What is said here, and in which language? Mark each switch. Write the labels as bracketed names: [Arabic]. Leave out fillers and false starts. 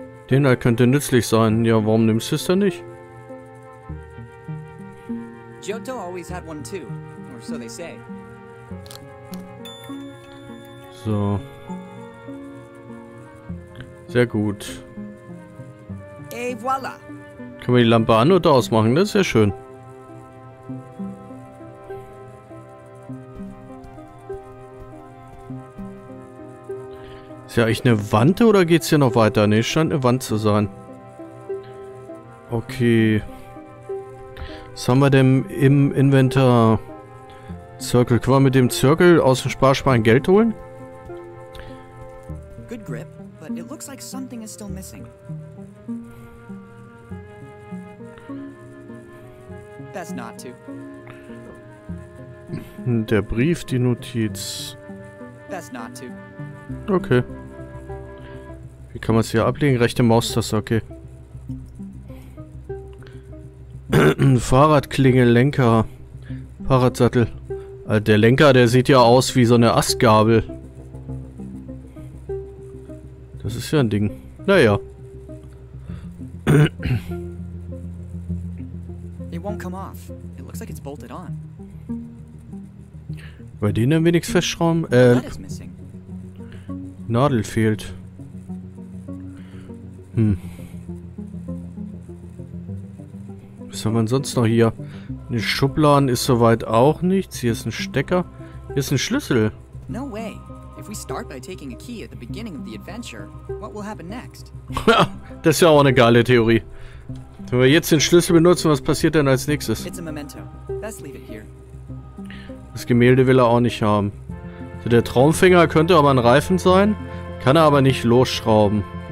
[German] Den halt könnte nützlich sein. Ja, warum nimmst du es denn nicht? [English] Johto always had one too, or so they say. [German] So. Sehr gut. Hey, voilà. Können wir die Lampe an- oder ausmachen? Das ist ja schön. Ist ja eigentlich eine Wand oder geht's hier noch weiter? Ne, scheint eine Wand zu sein. Okay. Was haben wir denn im Inventar? Circle. Können wir mit dem Circle aus dem Sparschwein Geld holen? [English] Good grip, but it looks like something is still missing. Best not to. [German] Der Brief, die Notiz. [English] Best not to. Okay. [German] Wie kann man es hier ablegen? Rechte Maustaste, okay. Fahrradklingel, Lenker, Fahrradsattel. Der Lenker, der sieht ja aus wie so eine Astgabel. Das ist ja ein Ding. Naja. [English] It won't come off. It looks like it's bolted on. [German] Bei denen ein wenig Festschrauben? Nadel fehlt. Was haben wir denn sonst noch hier? Eine Schublade ist soweit auch nichts. Hier ist ein Stecker. Hier ist ein Schlüssel. [English] No way. If we start by taking a key at the beginning of the adventure, what will happen next? [German] Das ist ja auch eine geile Theorie. Wenn wir jetzt den Schlüssel benutzen, was passiert denn als nächstes? [English] It's a memento. Best leave it here. [German] Das Gemälde will er auch nicht haben. Also der Traumfänger könnte aber ein Reifen sein, kann er aber nicht losschrauben.